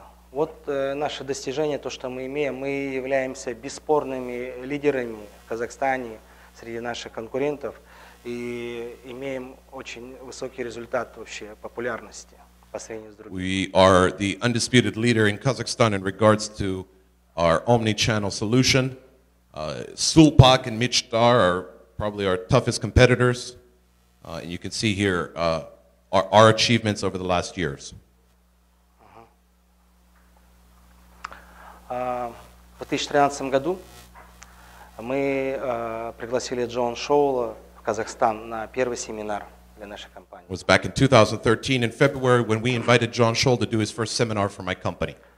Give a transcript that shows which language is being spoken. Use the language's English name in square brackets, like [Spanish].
[Russian] Вот наше достижение, то, что мы имеем, мы являемся бесспорными лидерами в Казахстане среди наших конкурентов и имеем очень высокий результат вообще популярности по сравнению с другими. [English] We are the undisputed leader in Kazakhstan in regards to our omni-channel solution. Sulpak and Michtar are probably our toughest competitors. And you can see here our achievements over the last years. [Russian] В 2013 году мы пригласили Джон Шоула в Казахстан на первый семинар для нашей компании. [English] It was back in 2013 in February when we invited John Scholl to do his first seminar for my company.